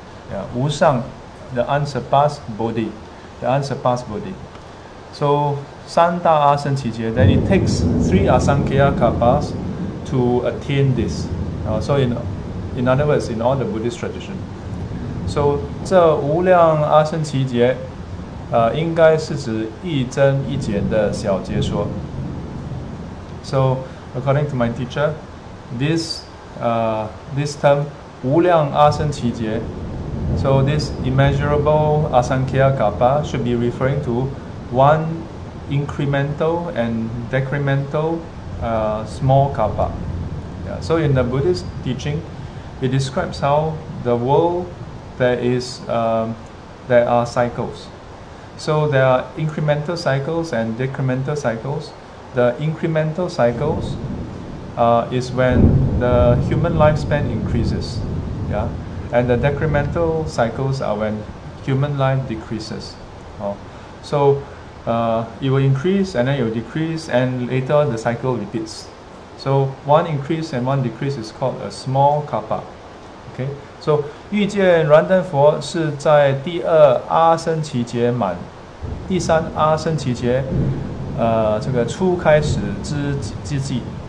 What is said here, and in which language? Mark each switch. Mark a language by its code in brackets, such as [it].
[en] Yeah, 无上, the unsurpassed Bodhi, the unsurpassed Bodhi. So 三大阿僧祇劫, then it takes three asaṅkhya kalpas to attain this. So in other words, in all the Buddhist tradition. [zh] So, 这无量阿僧祇劫, 应该是指一增一减的小劫说. [en] So, according to my teacher, this term, 无量阿僧祇劫, so this immeasurable asaṅkhya kalpa should be referring to one incremental and decremental small kalpa. Yeah. So, in the Buddhist teaching, it describes how the world, there are cycles. So there are incremental cycles and decremental cycles. The incremental cycles is when the human lifespan increases, yeah. And the decremental cycles are when human life decreases. So it will increase and then it will decrease, and later the cycle repeats. So one increase and one decrease is called a small kappa. Okay. [zh] So, 遇见燃灯佛是在第二阿僧祇劫满，第三阿僧祇劫，这个初开始之际。